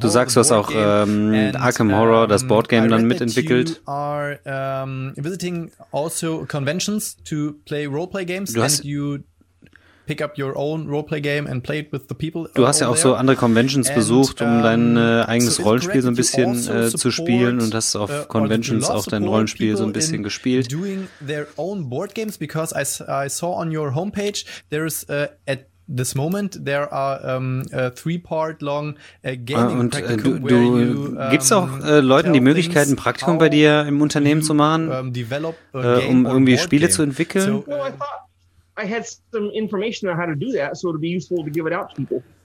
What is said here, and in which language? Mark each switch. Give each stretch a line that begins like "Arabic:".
German: Du sagst, du hast auch Arkham Horror, das Boardgame, dann mitentwickelt.
English: You are visiting also conventions to play roleplay games. Pick up your own roleplay game and play it with the people.
German: Du hast ja auch so andere Conventions besucht, um dein eigenes Rollenspiel so ein bisschen zu spielen und hast auf Conventions auch dein Rollenspiel so ein bisschen gespielt.
English: Doing their own board games because I saw on your homepage there is at this moment there are a 3-part long gaming practicum.
German: Und du gibst auch Leuten die Möglichkeit, ein Praktikum bei dir im Unternehmen zu machen, um irgendwie Spiele zu entwickeln.
English: I had some information on how to do that, so it'd be useful to give it out to people.